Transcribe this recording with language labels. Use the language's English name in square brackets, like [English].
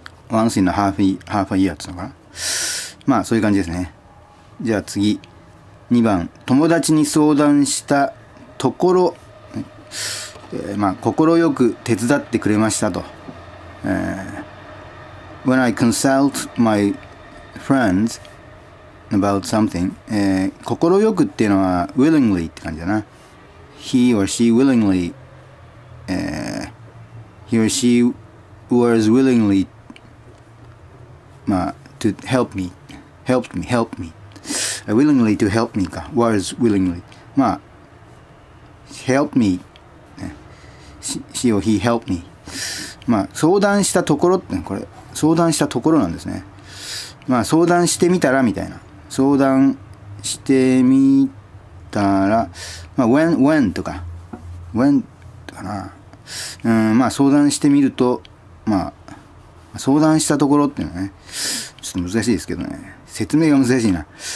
[English] once in a half a year [Japanese] っていうのかな。まあそういう感じですね。じゃあ次。2番、友達に相談したところ、心よく手伝ってくれましたと。 [English] When I consult my friends about something、 [Japanese] 心よくっていうのは [English] willingly [Japanese] って感じだな。 [English] He or she willingly、he or she was willingly、to help me, helped me, helped me. willingly to help me [Japanese] か [English] was willingly [Japanese] まあ help me、ね、 [English] she or he helped me、 [Japanese] まあ、相談したところってこれ相談したところなんですね。まあ相談してみたらみたいな相談してみたら、まあ、when とか when かな、まあ相談してみるとまあ相談したところっていうのはねちょっと難しいですけどね説明が難しいな。